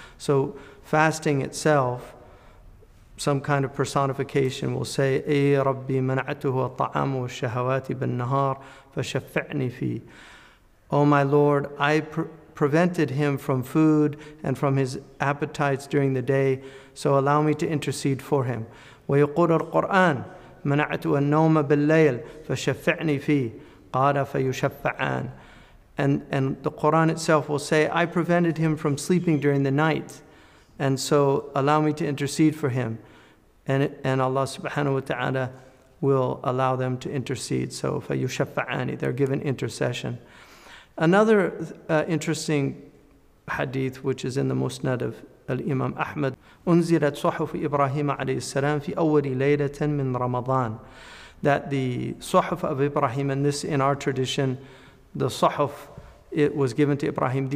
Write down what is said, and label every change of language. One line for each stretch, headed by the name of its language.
English: So fasting itself, some kind of personification will say,
Arabic: أي ربي منعته الطعام والشهوات بالنهار فشفعني فيه.
English: Oh my Lord, I prevented him from food and from his appetites during the day, so allow me to intercede for him.
Arabic: ويقول القرآن منعته النوم بالليل فشفعني فيه قال فيشفعان.
English: And the Qur'an itself will say, I prevented him from sleeping during the night, and so allow me to intercede for him. And Allah subhanahu wa ta'ala will allow them to intercede. So, فَيُشَفَّعَانِ, they're given intercession. Another interesting hadith, which is in the Musnad of Al-Imam Ahmad,
Arabic: أُنزِلَتْ صُحُفُ إِبْرَاهِيمَ عَلَيْهِ السَّلَامِ فِي أَوَّلِ لَيْلَةً مِنْ رَمَضَانِ,
English: that the صُحُف of Ibrahim, and this in our tradition, the Suhuf, it was given to Ibrahim.